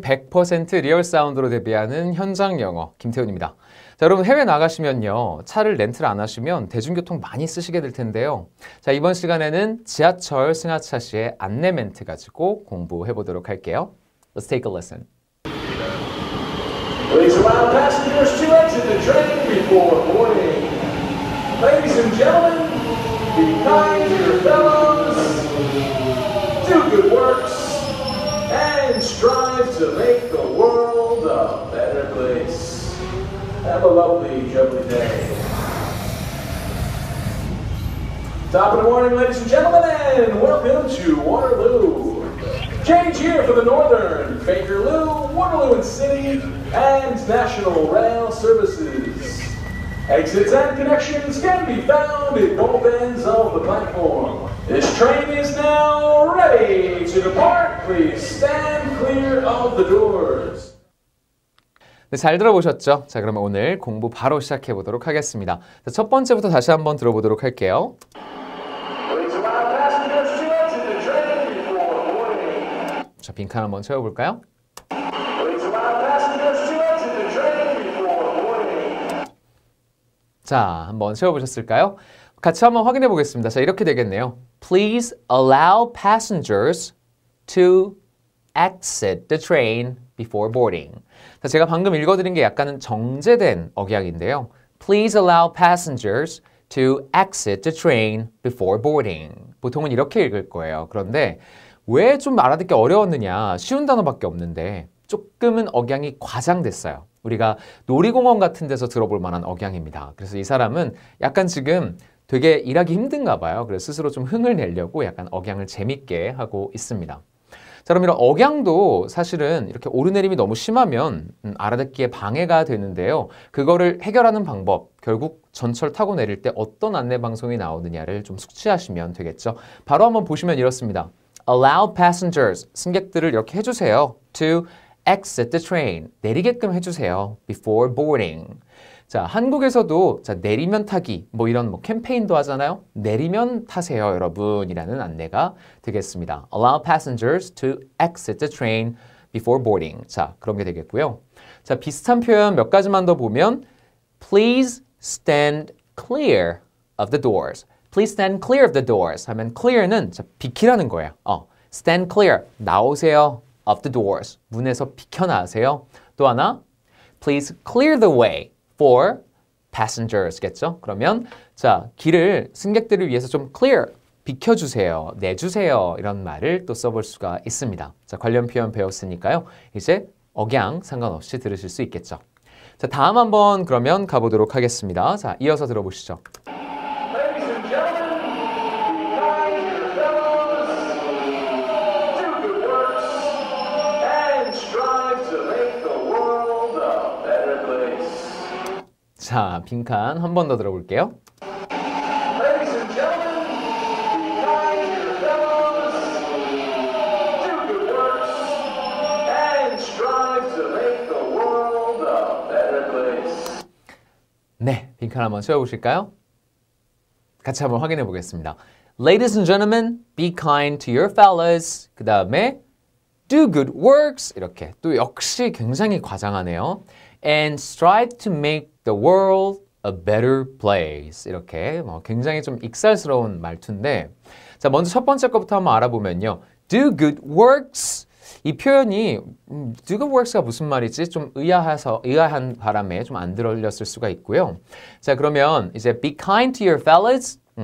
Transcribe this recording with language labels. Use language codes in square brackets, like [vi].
[ko] 100% 리얼 사운드로 데뷔하는 현장 영어 김태훈입니다. 자, 여러분 해외 나가시면요, 차를 렌트를 안 하시면 대중교통 많이 쓰시게 될 텐데요. 자, 이번 시간에는 지하철 승하차 시의 안내 멘트 가지고 공부해 보도록 할게요. [en] Let's take a listen. Please allow passengers to exit the train before boarding. Ladies and gentlemen, be kind to your fellows, do good works, and strive to make the world a better place. Have a lovely, jolly day. Top of the morning, ladies and gentlemen, and welcome to Waterloo. Change here for the Northern, Fakerloo, Waterloo and City, and National Rail Services. Exits and connections can be found at both ends of the platform. This train is now ready to depart. Please stand clear of the doors. [ko] 네, 잘 들어보셨죠? 자, 그러면 오늘 공부 바로 시작해 보도록 하겠습니다. 자, 첫 번째부터 다시 한번 들어보도록 할게요. [en] Please allow passengers to exit the train before boarding. [ko] 자, 빈칸 한번 채워볼까요? [en] Please allow passengers to exit the train before boarding. [ko] 자, 한번 채워보셨을까요? 같이 한번 확인해 보겠습니다. 자, 이렇게 되겠네요. [en] Please allow passengers to exit the train before boarding. [ko] 자, 제가 방금 읽어드린 게 약간은 정제된 억양인데요. [en] Please allow passengers to exit the train before boarding. [ko] 보통은 이렇게 읽을 거예요. 그런데 왜 좀 알아듣기 어려웠느냐? 쉬운 단어밖에 없는데 조금은 억양이 과장됐어요. 우리가 놀이공원 같은 데서 들어볼 만한 억양입니다. 그래서 이 사람은 약간 지금 되게 일하기 힘든가 봐요. 그래서 스스로 좀 흥을 내려고 약간 억양을 재밌게 하고 있습니다. 자, 그럼 이런 억양도 사실은 이렇게 오르내림이 너무 심하면 알아듣기에 방해가 되는데요. 그거를 해결하는 방법, 결국 전철 타고 내릴 때 어떤 안내 방송이 나오느냐를 좀 숙지하시면 되겠죠. 바로 한번 보시면 이렇습니다. [en] Allow passengers, [ko] 승객들을 이렇게 해주세요. [en] To exit the train, [ko] 내리게끔 해주세요. [en] Before boarding. [ko] 자, 한국에서도 자, 내리면 타기, 뭐 이런 뭐 캠페인도 하잖아요. 내리면 타세요, 여러분이라는 안내가 되겠습니다. [en] Allow passengers to exit the train before boarding. [ko] 자, 그런 게 되겠고요. 자, 비슷한 표현 몇 가지만 더 보면 [en] Please stand clear of the doors. Please stand clear of the doors [ko] 하면 clear는 자, 비키라는 거예요. [en] Stand clear, [ko] 나오세요. [en] Of the doors, [ko] 문에서 비켜나세요. 또 하나, [en] Please clear the way. For passengers겠죠? [ko] 그러면 자 길을 승객들을 위해서 좀 clear, 비켜주세요, 내주세요 이런 말을 또 써볼 수가 있습니다. 자 관련 표현 배웠으니까요. 이제 억양 상관없이 들으실 수 있겠죠. 자 다음 한번 그러면 가보도록 하겠습니다. 자 이어서 들어보시죠. [en] Ladies and gentlemen, be kind to your fellows. Do the works and strive to make the world a better place. [ko] 자, 빈칸 한 번 더 들어볼게요. [en] Ladies and gentlemen, be kind to your fellows. Do good works and strive to make the world a better place. [ko] 네, 빈칸 한번 채워보실까요? 같이 한번 확인해 보겠습니다. [en] Ladies and gentlemen, be kind to your fellows. [ko] 그 다음에 [en] do good works. [ko] 이렇게 또 역시 굉장히 과장하네요. [en] And strive to make The world a better place. [ko] 이렇게 뭐 굉장히 좀 익살스러운 말투인데 자 먼저 첫 번째 것부터 한번 알아보면요. [en] Do good works. [ko] 이 표현이 [en] do good works가 [ko] 무슨 말이지? 좀 의아한 바람에 좀 안 들렸을 수가 있고요. 자 그러면 이제 [en] be kind to your fellows.